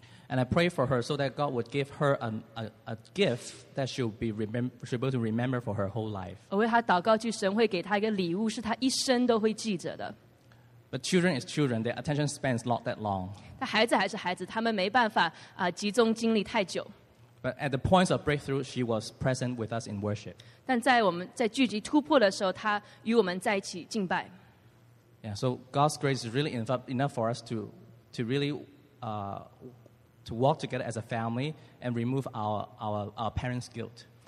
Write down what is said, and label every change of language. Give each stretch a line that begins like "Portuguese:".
English: And I pray for her so that God would give her a gift that she'll be able to remember for her whole life.
Chinese: 我为她祷告，神会给她一个礼物，是她一生都会记着的。
English: But children is children, their attention spans not that long.
Chinese: 但孩子还是孩子，他们没办法集中精力太久。
English: But at the points of breakthrough, she was present with us in worship.
Chinese: 但在我们在聚集突破的时候，她与我们在一起敬拜。
English: Yeah, so God's grace is really enough for us to really walk together as a family and remove our parents' guilt.